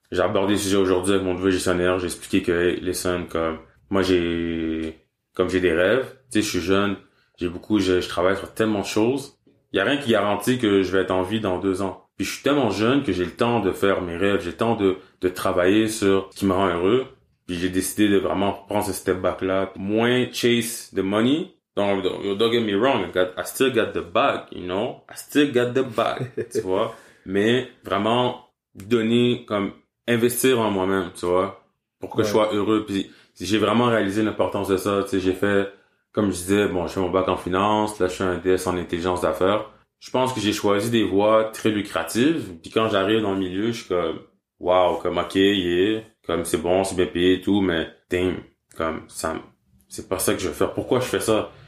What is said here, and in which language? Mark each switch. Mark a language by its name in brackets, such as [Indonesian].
[French] J'ai abordé le sujet aujourd'hui avec mon nouveau gestionnaire. J'ai expliqué que [English] hey, listen, [French] comme moi j'ai des rêves. Tu sais, je suis jeune, je travaille sur tellement de choses. Il n'y a rien qui garantit que je vais être en vie dans 2 ans. Puis je suis tellement jeune que j'ai le temps de faire mes rêves, j'ai le temps de travailler sur ce qui me rend heureux. Puis j'ai décidé de vraiment prendre ce [English] step back [French] là, moins [English] chase the money. Don't get me wrong, I still got the bag, you know, I still got the bag, [French] tu vois. Mais vraiment donner, comme investir en moi-même, tu vois, pour que, ouais, je sois heureux. Puis j'ai vraiment réalisé l'importance de ça. Tu sais, j'ai fait, comme je disais, bon, je fais mon bac en finance, là je fais un DS en intelligence d'affaires. Je pense que j'ai choisi des voies très lucratives. Puis quand j'arrive dans le milieu, je suis comme, wow, comme, ok, yeah, comme, c'est bon, c'est bien payé et tout, mais damn, comme, ça, c'est pas ça que je veux faire. Pourquoi je fais ça?